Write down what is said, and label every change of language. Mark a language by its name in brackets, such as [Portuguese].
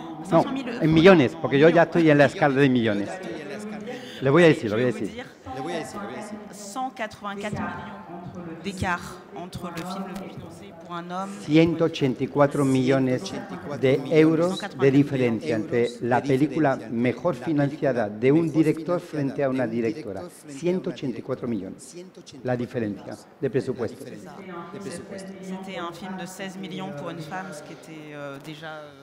[Spanish] No, en millones, porque yo ya estoy en la escala de millones. Le voy a decir. [French] 184 millions d'écart entre le film Le Puits d'Orsay pour un homme. [Spanish] 184 millones de euros de diferencia entre la película mejor financiada de un director frente a una directora. 184 millones. La diferencia de presupuesto. [French] C'était un film de 16 millions pour une femme, ce qui était déjà.